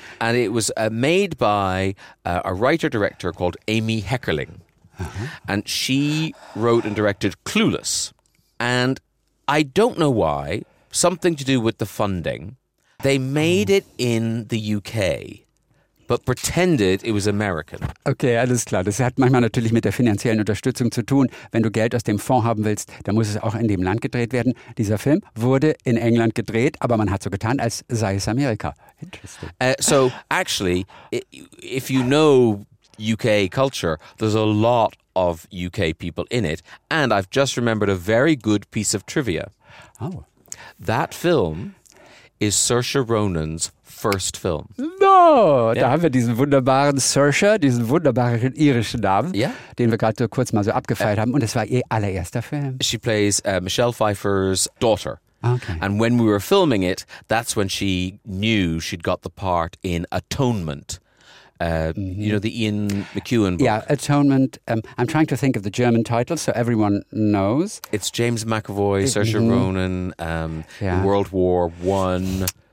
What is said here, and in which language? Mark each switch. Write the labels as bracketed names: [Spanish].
[English] And it was made by a writer-director called Amy Heckerling. Uh-huh. And she wrote and directed Clueless. And I don't know why, something to do with the funding. They made it in the UK, but pretended it was American. [German] Okay, alles klar. Das hat manchmal natürlich mit der finanziellen Unterstützung zu tun. Wenn du Geld aus dem Fonds haben willst, dann muss es auch in dem Land gedreht werden. Dieser Film wurde in England gedreht, aber man hat so getan, als sei es Amerika. [English] Interesting. So, actually, if you know UK culture, there's a lot of UK people in it. And I've just remembered a very good piece of trivia. Oh. That film is Saoirse Ronan's first film. No! [German] Yeah. Da haben wir diesen wunderbaren Saoirse, diesen wunderbaren irischen Namen, [English] yeah, [German] den wir gerade kurz mal so abgefeiert haben. Und es war ihr allererster Film. [English] She plays Michelle Pfeiffer's daughter. Okay. And when we were filming it, that's when she knew she'd got the part in Atonement. You know, the Ian McEwan book. Yeah, Atonement. I'm trying to think of the German title so everyone knows. It's James McAvoy, Saoirse Ronan, World War One.